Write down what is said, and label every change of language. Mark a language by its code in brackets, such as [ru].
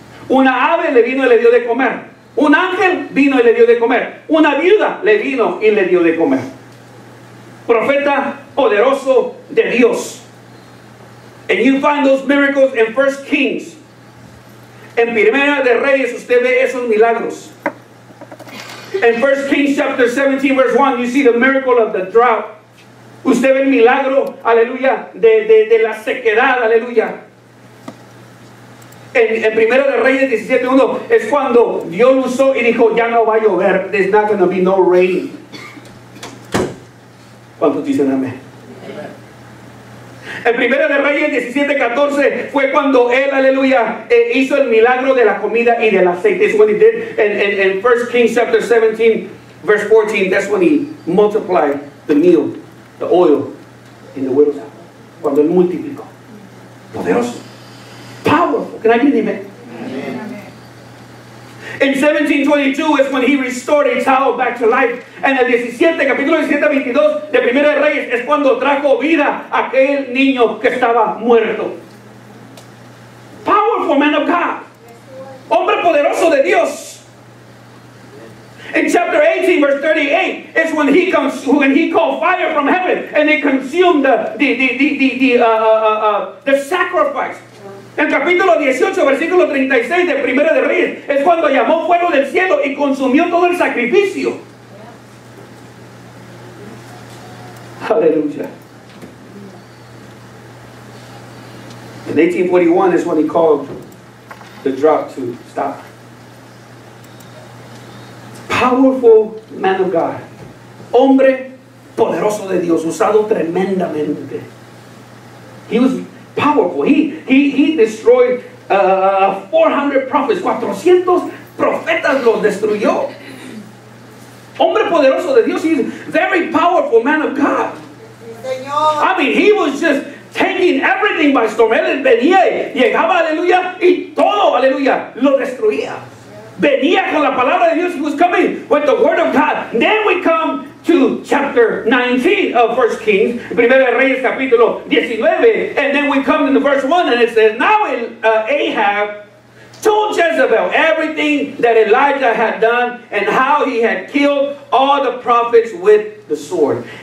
[es] Una ave le vino y le dio de comer. Un ángel vino y le dio de comer. Una viuda le vino y le dio de comer. Profeta poderoso de Dios. [en] And you find those miracles in 1 Kings. [es] En Primera de Reyes usted ve esos milagros. [en] In 1 Kings chapter 17 verse 1 you see the miracle of the drought. [es] Usted ve el milagro, aleluya, de la sequedad, aleluya. En Primera de Reyes 17:1 es cuando Dios lo usó y dijo, ya no va a llover. [en] There's not going to be no rain. [es] ¿Cuántos dicen amén? En Primera de Reyes 17:14 fue cuando él, aleluya, hizo el milagro de la comida y del aceite. [en] That's what he did. In 1 Kings chapter 17, verse 14, that's when he multiplied the meal, the oil, in the widow's house. [es] Cuando él multiplicó. Poderoso. [en] Powerful. Can I give him it? In 1722 is when he restored a child back to life. [es] And in 17, capítulo 17, 22, de Primera de Reyes, es cuando trajo vida a aquel niño que estaba muerto. [en] Powerful man of God. [es] Hombre poderoso de Dios. [en] In chapter 18, verse 38, is when he called fire from heaven and it consumed the sacrifice. [es] En capítulo 18, versículo 36 de Primera de Reyes, es cuando llamó fuego del cielo y consumió todo el sacrificio. Aleluya. [en] In 1841 is when he called the drought to stop. Powerful man of God. [es] Hombre poderoso de Dios, usado tremendamente. [en] He was powerful. He destroyed 400 prophets. [es] 400 profetas los destruyó. Hombre poderoso de Dios. [en] He's a very powerful man of God. [es] Señor. [en] I mean, he was just taking everything by storm. [es] Él venía, llegaba, aleluya, y todo, aleluya, lo destruía. Yeah. Venía con la palabra de Dios. [en] He was coming with the word of God. Then we come to chapter 19 of 1 Kings, [es] Primera de Reyes, capítulo 19, [en] and then we come to the verse 1, and it says, now Ahab told Jezebel everything that Elijah had done and how he had killed all the prophets with the sword.